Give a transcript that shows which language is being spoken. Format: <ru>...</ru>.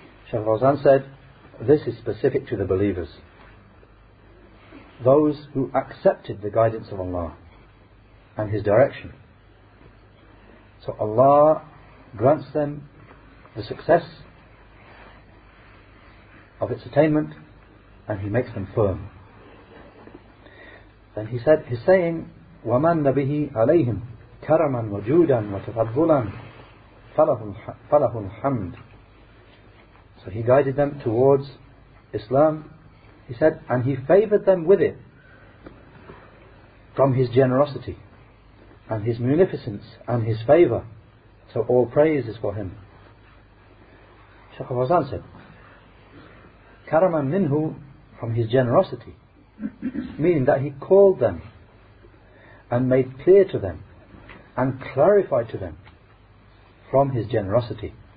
<en>Sheikh Fawzan said, this is specific to the believers, those who accepted the guidance of Allah and His direction. So Allah grants them the success of its attainment and He makes them firm.</en> <ar>Then he said, he's saying, وَمَنْ نَبِهِ عَلَيْهِمْ كَرَمًا وَجُودًا وَتَفَضُّلًا فَلَهُ الْحَمْدُ.</ar> <en>So he guided them towards Islam, he said, and he favoured them with it from his generosity and his munificence and his favour, so all praise is for him. Sheikh Fawzan said,</en> <ar>كَرَمًا مِنْهُ,</ar> <en>from his generosity, meaning that he called them and made clear to them and clarified to them from his generosity.</en>